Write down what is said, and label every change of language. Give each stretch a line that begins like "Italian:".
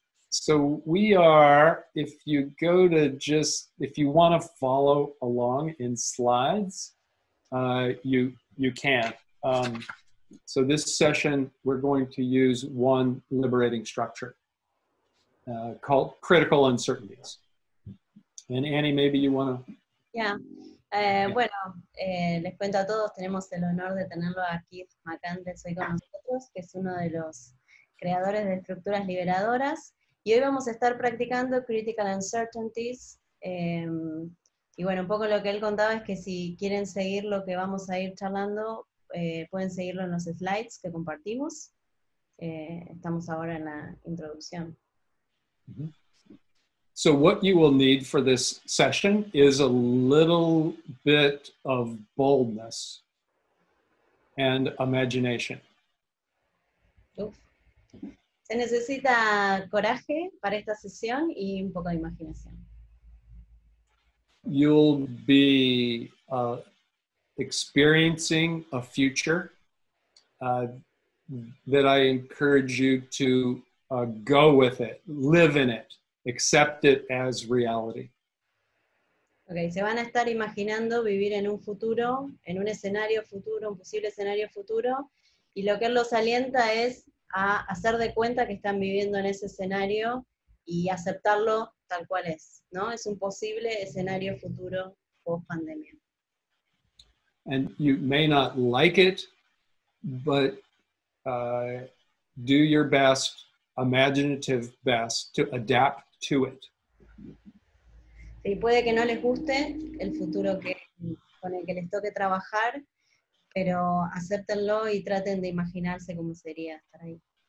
English: So we are, if you want to follow along in slides, you can. So this session, we're going to use one liberating structure called critical uncertainties. And Annie, maybe you want to? Yeah.
Spanish: Bueno, les cuento a todos, tenemos el honor de tenerlo aquí, Macandes, hoy con nosotros, que es uno de los creadores de estructuras liberadoras. Y hoy vamos a estar practicando critical uncertainties. Y bueno, un poco lo que él contaba es que si quieren seguir lo que vamos a ir charlando, pueden seguirlo en los slides que compartimos. Estamos ahora en la introducción.
English: So what you will need for this session is a little bit of boldness and imagination. Uf.
Spanish: Se necesita coraje para esta sesión y un poco de imaginación.
English: You'll be experiencing a future that I encourage you to go with it, live in it, accept it as reality.
Spanish: Okay, se van a estar imaginando vivir en un futuro, en un escenario futuro, un posible escenario futuro, y lo que él los alienta es a hacer de cuenta que están viviendo en ese escenario y aceptarlo tal cual es, ¿no? Es un posible escenario futuro post pandemia.
English: And you may not like it, but do your best, imaginative best, to adapt to it.
Spanish: Sí, puede que no les guste el futuro que, con el que les toque trabajar, pero acéptenlo y traten de imaginarse cómo sería estar ahí.